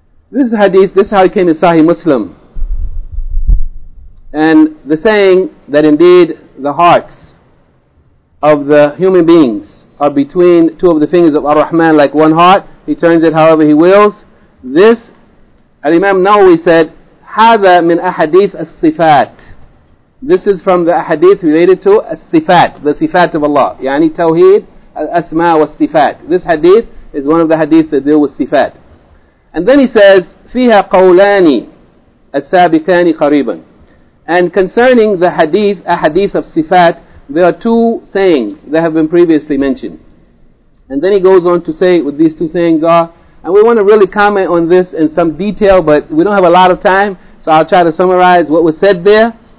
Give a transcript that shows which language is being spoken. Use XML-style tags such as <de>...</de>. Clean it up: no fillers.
<en>This is hadith, this is how it came in Sahih Muslim. And the saying that indeed the hearts of the human beings are between two of the fingers of Ar-Rahman, like one heart, He turns it however He wills. This, Al-Imam Nawawi said,</en> <ar>هَذَا مِنْ أَحَدِيثِ الصِّفَاتِ.</ar> <en>This is from the hadith related to الصِّفَاتِ, the sifat of Allah.</en> <ar>يعني توحيد الأسماء والصفات.</ar> <en>This hadith is one of the hadith that deal with sifat. And then he says,</en> <ar>فِيهَا قَوْلَانِ السَّابِكَانِ قَرِيبًا.</ar> <en>And concerning the hadith, a hadith of sifat, there are two sayings that have been previously mentioned. And then he goes on to say what these two sayings are. And we want to really comment on this in some detail, but we don't have a lot of time, so I'll try to summarize what was said there.</en>